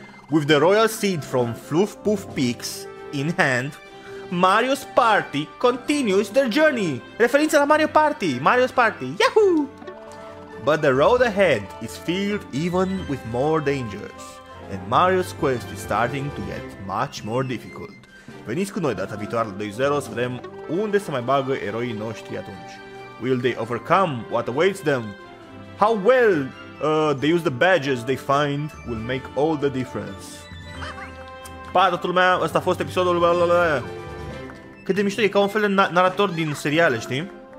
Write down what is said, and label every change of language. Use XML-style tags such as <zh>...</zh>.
<en>With the royal seed from Fluff Puff Peaks in hand, Mario's Party continues their journey.</en> <ro>Referință la Mario Party.</ro> <en>Mario's Party. Yahoo! But the road ahead is filled even with more dangers. And Mario's quest is starting to get much more difficult.</en> <ro>Veniți cu noi data viitoare la 2-0 să vedem unde se mai bagă eroii noștri atunci.</ro> <en>Will they overcome what awaits them? How well they use the badges they find will make all the difference.</en> <ro>Pa, totul meu, ăsta a fost episodul. Cât de mișto e, ca un fel de narator din seriale, știi?</ro>